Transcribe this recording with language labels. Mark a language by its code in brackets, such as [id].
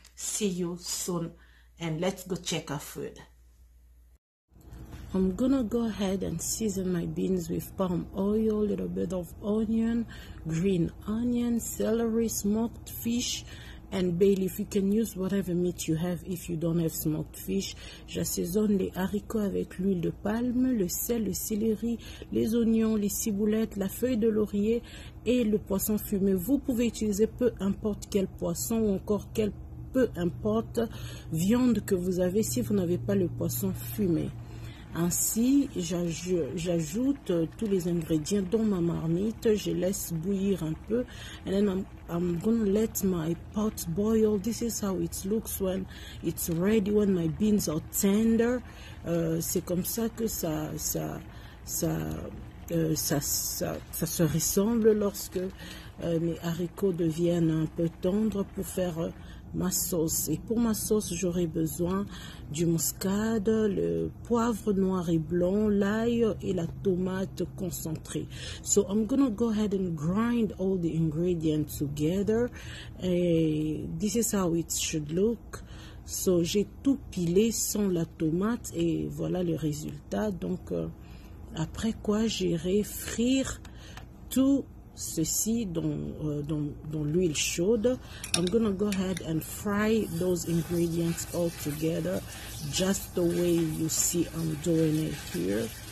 [en] See you soon, and let's go check our food. I'm gonna go ahead and season my beans with palm oil, a little bit of onion, green onion, celery, smoked fish, and bay leaf. You can use whatever meat you have if you don't have smoked fish. [fr] J'assaisonne les haricots avec l'huile de palme, le sel, le céleri, les oignons, les ciboulettes, la feuille de laurier et le poisson fumé. Vous pouvez utiliser peu importe quel poisson ou encore quel peu importe viande que vous avez si vous n'avez pas le poisson fumé. Ainsi, j'ajoute tous les ingrédients dans ma marmite. Je laisse bouillir un peu. [en] And then I'm going to let my pot boil. This is how it looks when it's ready, when my beans are tender. [fr] C'est comme ça que ça se ressemble lorsque mes haricots deviennent un peu tendres pour faire ma sauce. Et pour ma sauce, j'aurai besoin du muscade, le poivre noir et blanc, l'ail et la tomate concentrée. [en] So I'm gonna go ahead and grind all the ingredients together. And this is how it should look. [fr] So j'ai tout pilé sans la tomate et voilà le résultat. Donc après quoi, j'irai frire tout ceci dans l'huile chaude. [en] I'm gonna go ahead and fry those ingredients all together just the way you see I'm doing it here.